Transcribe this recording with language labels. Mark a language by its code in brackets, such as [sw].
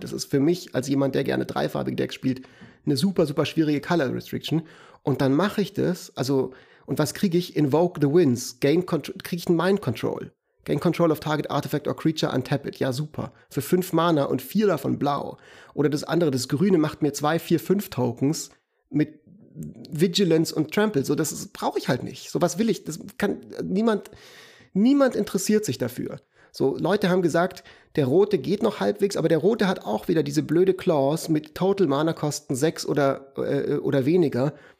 [de] Das ist für mich als jemand, der gerne dreifarbige Decks spielt, eine super, super schwierige Color Restriction. Und dann mache ich das, also, und was kriege ich? Invoke the Winds. Kriege ich ein Mind Control. [en] Gain Control of Target, Artifact or Creature, untap it. [de] Ja, super. Für 5 Mana und 4 davon blau. Oder das andere, das Grüne, macht mir 2/4/5 Tokens mit Vigilance und Trample. So, das brauche ich halt nicht. So, was will ich? Das kann niemand interessiert sich dafür. So, Leute haben gesagt, der Rote geht noch halbwegs, aber der Rote hat auch wieder diese blöde Clause mit Total-Mana-Kosten 6 oder weniger.